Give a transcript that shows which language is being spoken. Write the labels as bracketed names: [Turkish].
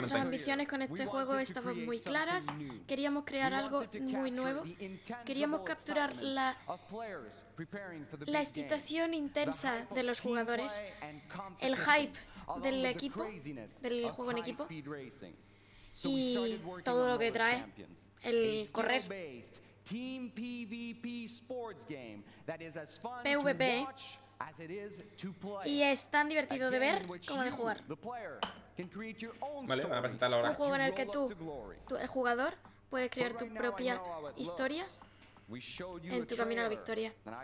[Spanish] Nuestras ambiciones con este juego estaban muy claras. Queríamos crear algo muy nuevo. Queríamos capturar la excitación intensa de los jugadores, el hype del equipo, del juego en equipo, y todo lo que trae el correr. [English] Team PvP sports game that is as fun PvP. To watch as it is to play. [Spanish] Y es tan divertido de ver como de jugar. Vale, van a presentarlo ahora. Un juego en el que tú, el jugador, puedes crear tu propia historia en tu camino a la victoria.